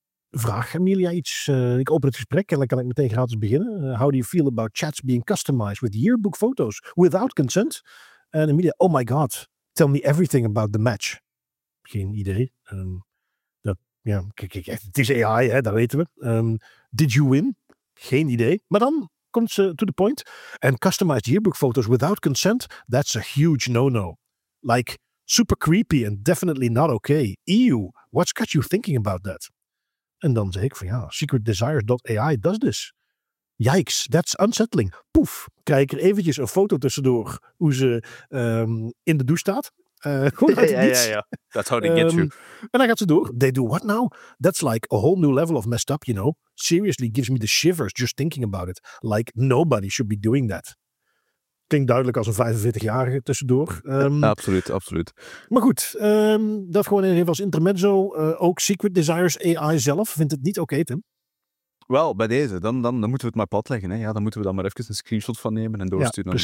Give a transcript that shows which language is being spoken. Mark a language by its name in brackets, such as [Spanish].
[Dutch] Vraag Amelia iets. Ik open het gesprek en dan kan ik meteen gratis beginnen. [English] How do you feel about chats being customized with yearbook photos without consent? En Amelia, oh my god, tell me everything about the match. [Dutch] Geen idee. Het is AI, hè, dat weten we. [English] Did you win? [Dutch] Geen idee. Maar dan komt ze [English] to the point. And customized yearbook photos without consent, that's a huge no-no. Like, super creepy and definitely not okay. Ew, what's got you thinking about that? [Dutch] En dan zeg ik van ja, secretdesires.ai [English] does this. Yikes, that's unsettling. [Dutch] Poef, kijk er eventjes een foto tussendoor hoe ze in de douche staat. [English] That's how they get you. [Dutch] En dan gaat ze door. [English] They do what now? That's like a whole new level of messed up, you know? Seriously, gives me the shivers just thinking about it. Like nobody should be doing that. [Dutch] Klinkt duidelijk als een 45-jarige tussendoor. Absoluut. Maar goed, dat gewoon even als intermezzo. Ook Secret Desires AI zelf vindt het niet oké, Tim. Wel, bij deze. Dan moeten we het maar platleggen. Hè. Ja, dan moeten we dan maar even een screenshot van nemen en doorsturen naar